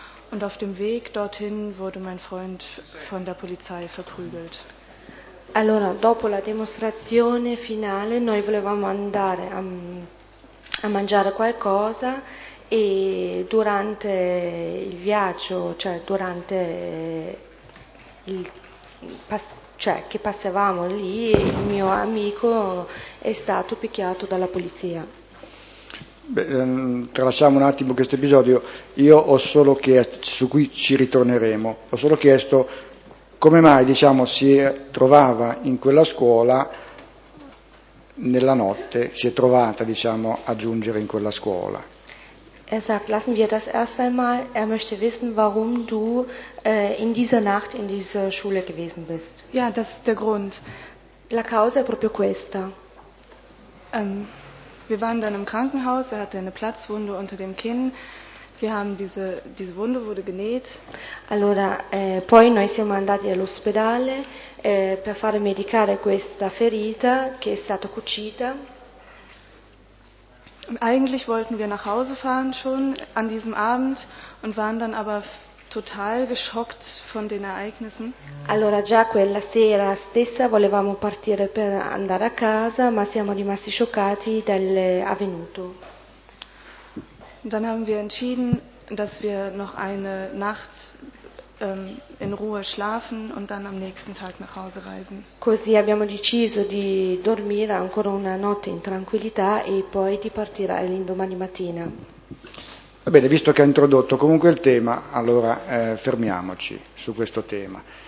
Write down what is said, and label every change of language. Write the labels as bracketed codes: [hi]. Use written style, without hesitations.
[de] Und auf dem Weg dorthin wurde mein Freund von der Polizei verprügelt. [it] Allora, dopo la demonstrazione finale, noi volevamo andare a mangiare qualcosa. E durante il viaggio, cioè durante il cioè che passavamo lì, il mio amico è stato picchiato dalla polizia. Tralasciamo un attimo questo episodio, io ho solo chiesto, su cui ci ritorneremo, ho solo chiesto come mai, diciamo, si trovava in quella scuola nella notte, si è trovata, diciamo, a giungere in quella scuola. [de] Er sagt, lassen wir das erst einmal. Er möchte wissen, warum du in dieser Nacht in dieser Schule gewesen bist. Ja, das ist der Grund. [it] La causa è proprio questa. [de] Wir waren dann im Krankenhaus. Er hatte eine Platzwunde unter dem Kinn. Wir haben diese Wunde wurde genäht. [it] Allora, poi noi siamo andati all'ospedale per far medicare questa ferita che è stata cucita. [de] Eigentlich wollten wir nach Hause fahren schon an diesem Abend und waren dann aber total geschockt von den Ereignissen. [it] Allora già quella sera stessa volevamo partire per andare a casa, ma siamo rimasti scioccati dell'avvenuto. [de] Dann haben wir entschieden, dass wir noch eine Nacht in Ruhe schlafen und dann am nächsten Tag nach Hause reisen. [it] Così abbiamo deciso di dormire ancora una notte in tranquillità e poi di partire all'indomani mattina. Va bene, visto che ha introdotto comunque il tema, allora fermiamoci su questo tema.